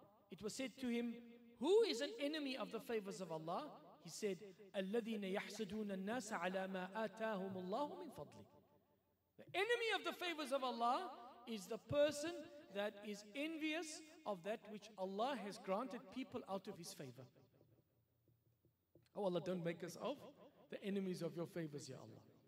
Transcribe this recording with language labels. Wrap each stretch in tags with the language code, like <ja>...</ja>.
<en>It was said to him, who is an enemy of the favors of Allah? He said,</en> <ar>الَّذِينَ يَحْسَدُونَ النَّاسَ عَلَى مَا آتَاهُمُ اللَّهُ مِنْ فَضْلِهِ.</ar> <en>The enemy of the favors of Allah is the person that is envious of that which Allah has granted people out of His favor. Oh Allah, don't make us of the enemies of your favors, Ya Allah.</en>